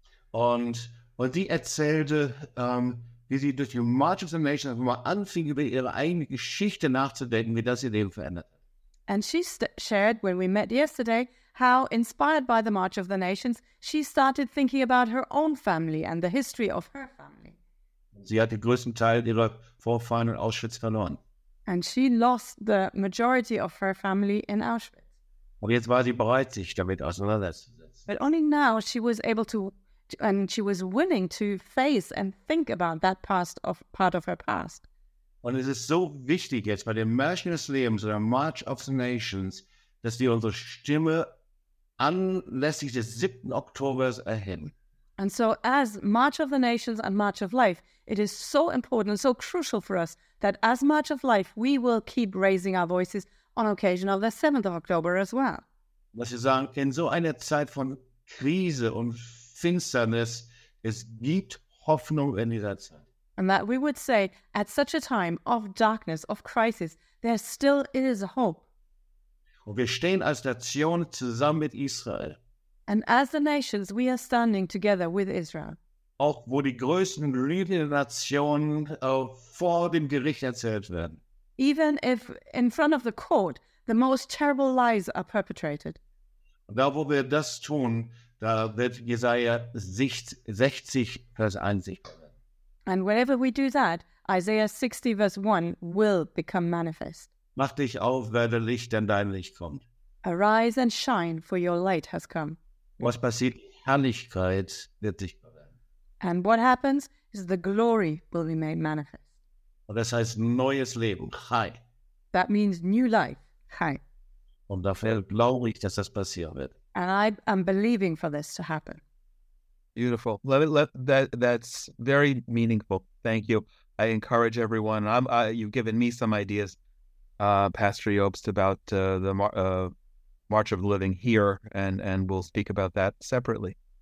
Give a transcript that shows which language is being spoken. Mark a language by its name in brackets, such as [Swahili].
[German] Und sie erzählte, wie sie durch den March of the Nations mal anfing, über ihre eigene Geschichte nachzudenken, wie das ihr Leben verändert hat. [English] And she shared, when we met yesterday, how, inspired by the March of the Nations, she started thinking about her own family and the history of her family. [German] Sie hat den größten Teil ihrer Vorfahren in Auschwitz verloren. [English] And she lost the majority of her family in Auschwitz. [German] Und jetzt war sie bereit, sich damit auseinanderzusetzen. [English] But only now she was able to, and she was willing to face and think about that part of her past. [German] Und es ist so wichtig jetzt bei dem Märchen des Lebens oder March of the Nations, dass wir unsere Stimme anlässlich des 7. Oktober erheben. [English] And so as much of the nations and much of life, it is so important and so crucial for us that as much of life, we will keep raising our voices on occasion of the 7th of October as well. [German] Was Sie sagen, in so einer Zeit von Krise und Finsternis, es gibt Hoffnung in dieser Zeit. [English] And that we would say, at such a time of darkness, of crisis, there still is hope. [German] Und wir stehen als Nation zusammen mit Israel. [English] And as the nations, we are standing together with Israel. [German] Auch wo die größten Lügen der Nation vor dem Gericht erzählt werden. [English] Even if in front of the court, the most terrible lies are perpetrated. [German] Und da wo wir das tun, da wird Jesaja 60, Vers 1 sichtbar. [English] And whenever we do that, Isaiah 60, verse 1 will become manifest. [German] Mach dich auf, werde Licht, denn dein Licht kommt. [English] Arise and shine, for your light has come. [German] Was passiert? Herrlichkeit wird sichtbar werden. [English] And what happens is the glory will be made manifest. [German] Und das heißt neues Leben, Chai. [English] That means new life, Chai. [German] Und dafür glaube ich, dass das passieren wird. [English] And I am believing for this to happen. Beautiful. That's very meaningful. Thank you. I encourage everyone. You've given me some ideas, Pastor Jobst, about March of the Living here, and we'll speak about that separately.